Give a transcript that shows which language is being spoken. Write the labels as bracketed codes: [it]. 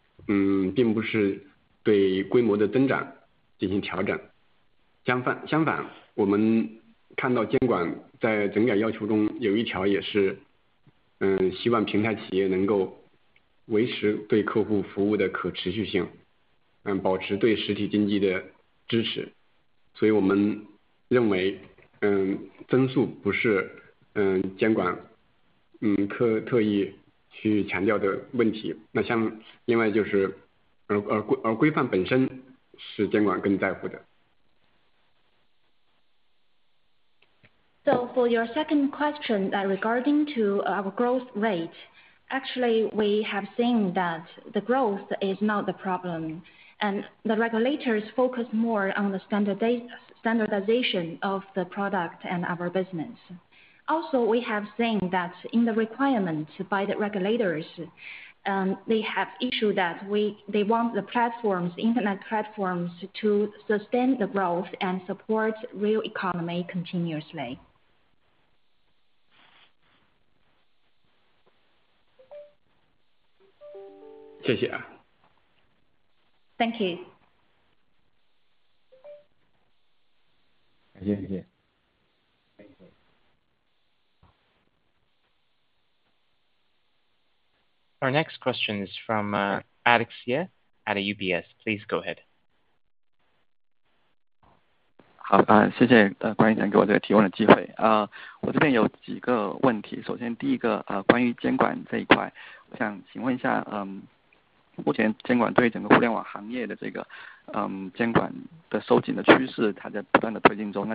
[zh] 并不是对规模的增长进行调整，相反，我们看到监管在整改要求中有一条也是，希望平台企业能够维持对客户服务的可持续性，保持对实体经济的支持，所以我们认为，增速不是监管特意。去强调的问题，那像另外就是而规范本身是监管更在乎的。 [en] So for your second question regarding to our growth rate, actually we have seen that the growth is not the problem, and the regulators focus more on the standardization of the product and our business. Also, we have seen that in the requirement by the regulators, they have issued that they want the platforms, internet platforms, to sustain the growth and support real economy continuously. [zh] 谢谢啊。 [en] Thank you. [zh] 感谢，谢谢。 [en] Our next question is from Alex Ye at UBS. Please go ahead. [zh] 好，谢谢管理层给我这个提问的机会。我这边有几个问题。首先，第一个关于监管这一块，我想请问一下，目前监管对整个互联网行业的这个监管的收紧的趋势，它在不断的推进中。